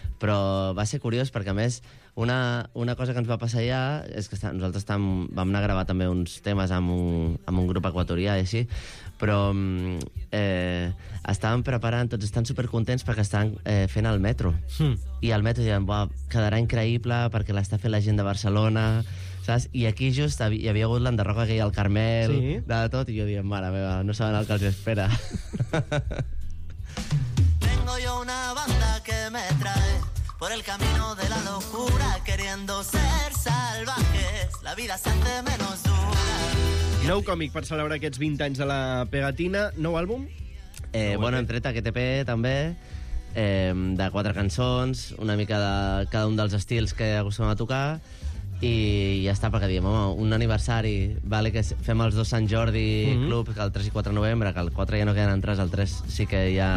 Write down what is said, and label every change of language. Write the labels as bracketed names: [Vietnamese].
[Catalan] Però va ser curiós, perquè a més, una cosa que ens va passar allà és que nosaltres vam anar a gravar també uns temes amb un grup equatorià i així, però estàvem preparant, tots estan supercontents perquè estan fent el metro. Hmm. I el metro diuen, quedarà increïble perquè l'està fent la gent de Barcelona... Saps? I aquí just hi havia hagut l'enderroca aquella al Carmel, sí. De tot, i jo diem, mare meva, no saben el que els espera. [Spanish] Tengo yo una banda que me trae por el camino de la locura queriendo ser salvajes. La vida se hace menos dura. [Catalan] Nou còmic per celebrar aquests 20 anys de la Pegatina. Nou àlbum? Bueno, hem tret aquest EP, també, de 4 cançons, una mica de cada un dels estils que acostumem a tocar... I ja està, perquè diem, home, un aniversari, vale, que fem els dos Sant Jordi Club, que el 3 i 4 de novembre, que el 4 ja no queden entrades, el 3 sí que hi ha...